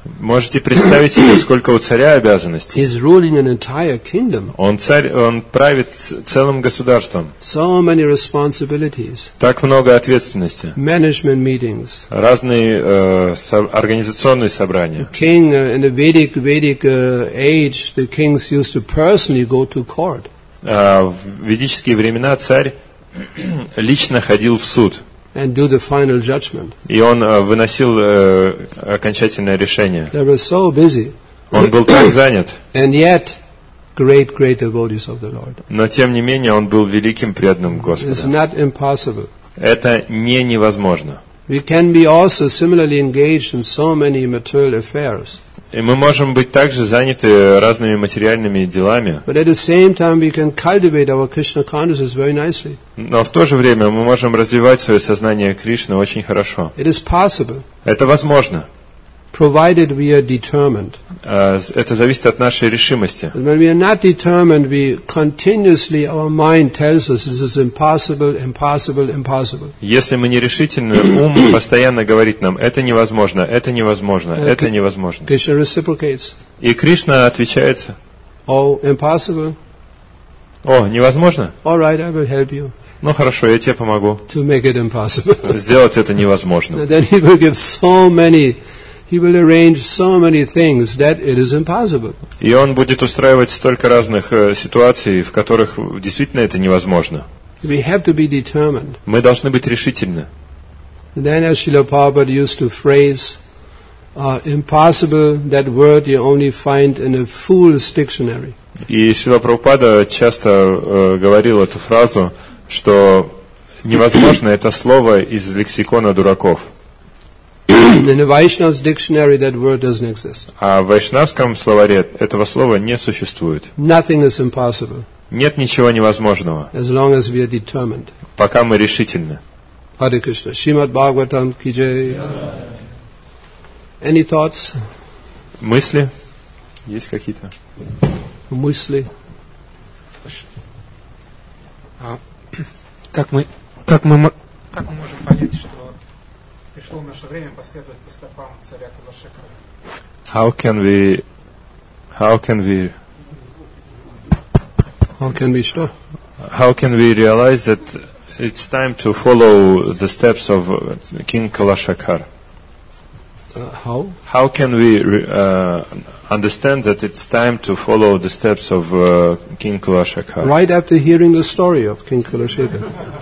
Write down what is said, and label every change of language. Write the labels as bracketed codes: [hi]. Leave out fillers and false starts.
[ru] Можете представить себе, сколько у царя обязанностей. [en] He's ruling an entire kingdom. [ru] Он царь, он правит целым государством. [en] So many responsibilities. [ru] Так много ответственности. [en] Management meetings. [ru] Разные организационные собрания. [en] The king in the Vedic age, the kings used to personally go to court. [ru] В ведические времена царь лично ходил в суд. [en] And do the final judgment. [ru] И он выносил окончательное решение. [en] They were so busy. [ru] Он был так занят. [en] And yet, great devotees of the Lord. [ru] Но тем не менее он был великим преданным Господа. [en] It's not impossible. [ru] Это не невозможно. [en] We can be also similarly engaged in so many material affairs. [ru] И мы можем быть также заняты разными материальными делами. [en] But at the same time we can cultivate our Krishna consciousness very nicely. [ru] Но в то же время мы можем развивать свое сознание Кришны очень хорошо. [en] It is possible. [ru] Это возможно. [en] Provided we are determined. [ru] Это зависит от нашей решимости. [en] But when we are not determined, we continuously our mind tells us this is impossible, impossible, impossible. [ru] Если мы нерешительны, ум постоянно говорит нам, это невозможно, это невозможно, это невозможно. [en] Krishna reciprocates. [ru] И Кришна отвечает. [en] Oh, impossible. [ru] О, невозможно. [en] All right, I will help you. [ru] Ну хорошо, я тебе помогу. [en] To make it impossible. [ru] Сделать это невозможно. [en] Then he will give so many. He will arrange so many things that it is impossible. [ru] И он будет устраивать столько разных ситуаций, в которых действительно это невозможно. [en] We have to be determined. [ru] Мы должны быть решительны. [en] Then, as Srila Prabhupada used to phrase, "impossible" that word you only find in a fool's dictionary. [ru] И Srila Prabhupada часто говорил эту фразу, что невозможно это слово из лексикона дураков. [en] In the Vaishnava's dictionary, that word doesn't exist. [ru] А в вайшнавском словаре этого слова не существует. [en] Nothing is impossible. [ru] Нет ничего невозможного. [en] As long as we are determined. [ru] Пока мы решительны. [en] Hare Krishna, Shrimad Bhagavatam ki jai. Any thoughts? [ru] Мысли? Есть какие-то? Мысли. Как мы можем понять, что пришло наше время последовать по стопам царя Кулашекхары? [en] How can we realize that it's time to follow the steps of King Kulashekhar? How can we understand that it's time to follow the steps of King Kulashekhar? Right after hearing the story of King Kulashekhar.